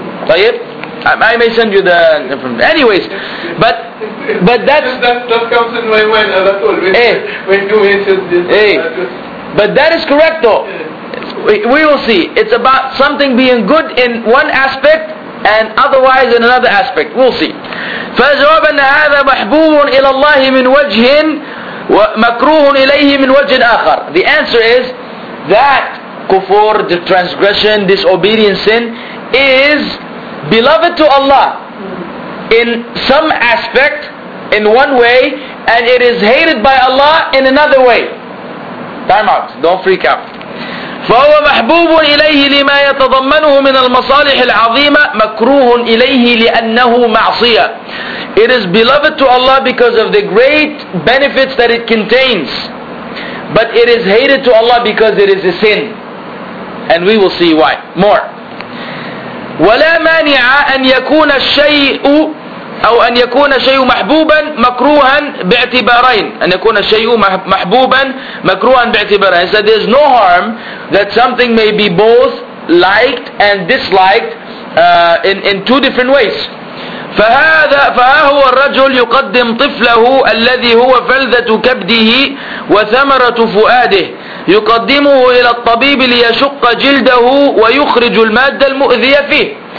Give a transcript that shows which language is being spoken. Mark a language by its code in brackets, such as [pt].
[en] طيب, I may send you the information. Anyways, but that comes in my mind a lot always when you mention this. But that is correct though. We will see. It's about something being good in one aspect and otherwise in another aspect. We'll see. [ar] فجواب أن هذا محبوب إلى الله من وجه ومكروه إليه من وجه آخر. [en] The answer is that kufur, the transgression, disobedience, sin is beloved to Allah in some aspect, in one way, and it is hated by Allah in another way. Time out. Don't freak out. [ar] فهو محبوب إليه لما يتضمنه من المصالح العظيمة مكروه إليه لأنه معصية. [en] It is beloved to Allah because of the great benefits that it contains, but it is hated to Allah because it is a sin, and we will see why more. [ar] ولا مانع أن يكون الشيء أو أن يكون الشيء محبوبا مكروها باعتبارين. أن يكون الشيء محبوبا مكروها باعتبارين. [en] So there's no harm that something may be both liked and disliked in two different ways. [ar] فها هو الرجل يقدم طفله الذي هو فلذة كبده وثمرة فؤاده يقدمه إلى الطبيب ليشق جلده ويخرج المادة المؤذية فيه.